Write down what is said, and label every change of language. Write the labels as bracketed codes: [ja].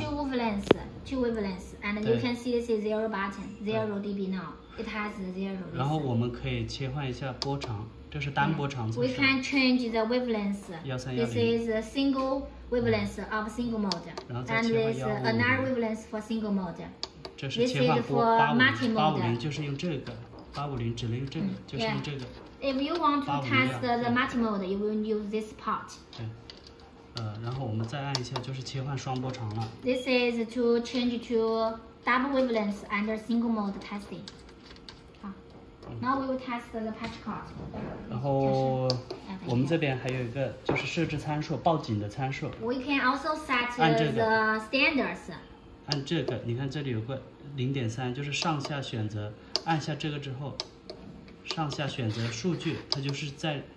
[en] This is two wavelengths, and you can see this is zero button, zero dB now. It has zero. [zh] 然后我们可以切换一下波长，这是单波长。 [en] We can change the wavelength. [zh] 1310。 [en] This is a single wavelength of single mode. [zh] 然后再切换1550。 [en] And this is another wavelength for single mode. [zh] 这是切换波 850，就是用这个850，只能用这个，就是用这个。 [en] If you want to test the multi mode, you will use this part. [zh] 对。然后我们再按一下，就是切换双波长了。 [en] This is to change to double wavelength and single mode testing. 好、now we will test the patch card. [zh] 然后、我们这边还有一个就是设置参数，报警的参数。 [en] We can also set、the standards. [zh] 按这个，你看这里有个0.3，就是上下选择，按下这个之后，上下选择数据，它就是在。